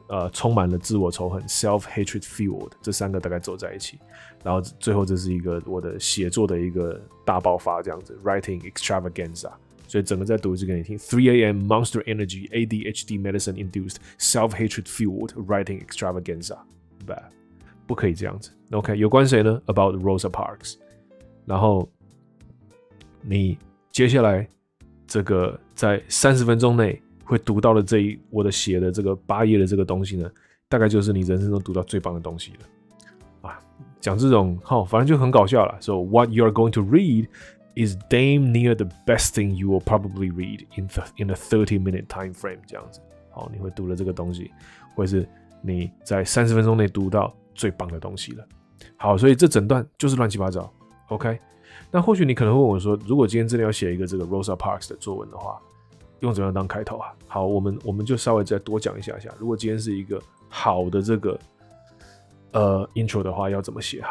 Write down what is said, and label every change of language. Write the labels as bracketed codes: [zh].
[zh] 充满了自我仇恨 ， [en] self hatred fueled， [zh] 这三个大概走在一起，然后最后这是一个我的写作的一个大爆发，这样子 ， [en] writing extravaganza， [zh] 所以整个再读一次给你听 ， [en] 3 AM monster energy ADHD medicine induced self hatred fueled writing extravaganza， [zh] 不可以这样子 ，OK， 有关谁呢 ？ [en] About Rosa Parks， [zh] 然后你接下来这个在30分钟内。会读到的这一我的写的这个八页的这个东西呢，大概就是你人生中读到最棒的东西了，讲这种好、哦，反正就很搞笑了。 [en] So what you are going to read is damn near the best thing you will probably read in a 30-minute time frame， [zh] 这样子。好、哦，你会读的这个东西，会是你在30分钟内读到最棒的东西了。好，所以这整段就是乱七八糟。OK， 那或许你可能会问我说，如果今天真的要写一个这个 Rosa Parks 的作文的话。用怎样当开头啊？好，我们就稍微再多讲一下。如果今天是一个好的这个intro 的话，要怎么写？